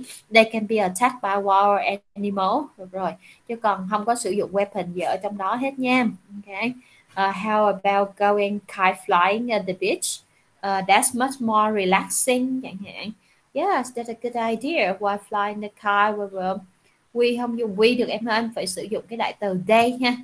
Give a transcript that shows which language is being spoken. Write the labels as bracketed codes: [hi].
[en] They can be attacked by wild animal. [vi] Được rồi, chứ còn không có sử dụng weapon gì ở trong đó hết nha. [en] Okay. How about going kite flying at the beach? That's much more relaxing [vi] chẳng hạn. [en] Yes, that's a good idea. While flying the kite, we [vi] không dùng we được em ơi, anh phải sử dụng cái đại từ they nha.